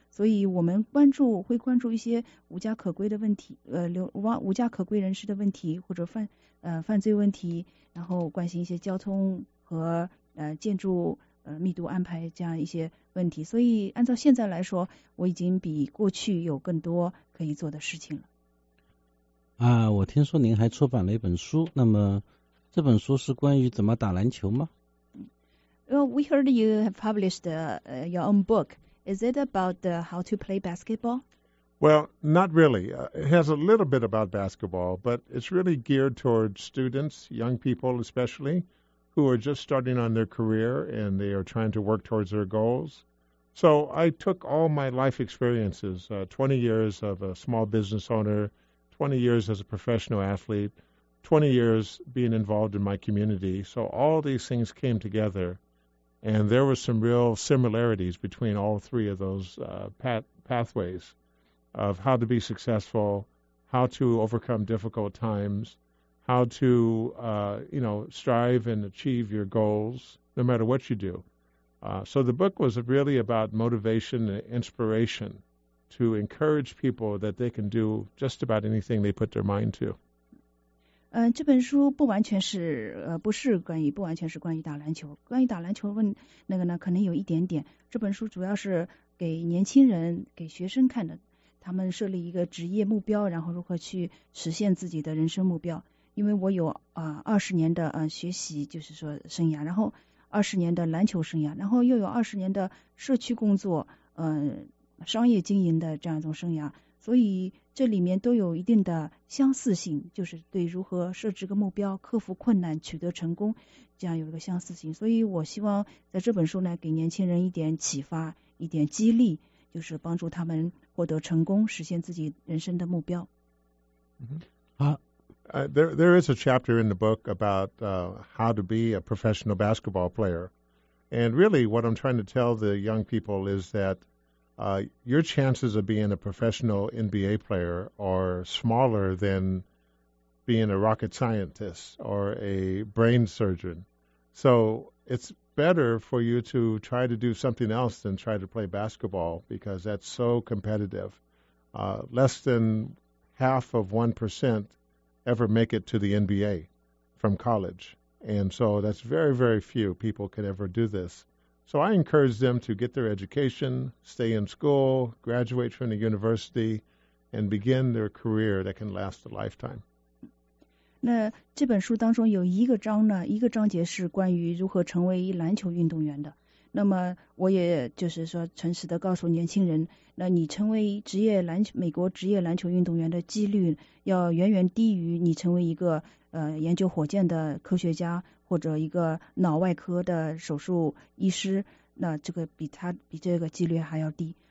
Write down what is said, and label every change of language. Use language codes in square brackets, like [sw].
[zh] 所以我们会关注一些无家可归的问题，无家可归人士的问题，或者犯罪问题，然后关心一些交通和建筑密度安排这样一些问题，所以按照现在来说，我已经比过去有更多可以做的事情了。啊，我听说您还出版了一本书，那么这本书是关于怎么打篮球吗？ [en] Well, we heard you have published your own book. Is it about how to play basketball? Well, not really. It has a little bit about basketball, but it's really geared towards students, young people especially. Who are just starting on their career and they are trying to work towards their goals. So I took all my life experiences, 20 years of a small business owner, 20 years as a professional athlete, 20 years being involved in my community. So all these things came together and there were some real similarities between all three of those pathways of how to be successful, how to overcome difficult times,how to, strive and achieve your goals, no matter what you do. So the book was really about motivation and inspiration to encourage people that they can do just about anything they put their mind to. [zh] 这本书不完全是不是关于不完全是关于打篮球。关于打篮球问那个呢，可能有一点点。这本书主要是给年轻人、给学生看的，他们设立一个职业目标，然后如何去实现自己的人生目标。因为我有20年的学习，就是说生涯，然后20年的篮球生涯，然后又有20年的社区工作，商业经营的这样一种生涯，所以这里面都有一定的相似性，就是对如何设置个目标、克服困难、取得成功，这样有一个相似性。所以我希望在这本书呢，给年轻人一点启发、一点激励，就是帮助他们获得成功，实现自己人生的目标。嗯，好。 [en] There is a chapter in the book about how to be a professional basketball player. And really what I'm trying to tell the young people is that your chances of being a professional NBA player are smaller than being a rocket scientist or a brain surgeon. So it's better for you to try to do something else than try to play basketball because that's so competitive. Less than half of 1%ever make it to the NBA from college. And so that's very, very few people could ever do this. So I encourage them to get their education, stay in school, graduate from the university, and begin their career that can last a lifetime. [zh] 那这本书当中有一个章呢，一个章节是关于如何成为篮球运动员的。那么我也就是说诚实地告诉年轻人，那你成为职业篮球美国职业篮球运动员的几率要远远低于你成为一个研究火箭的科学家或者一个脑外科的手术医师，那这个比这个几率还要低。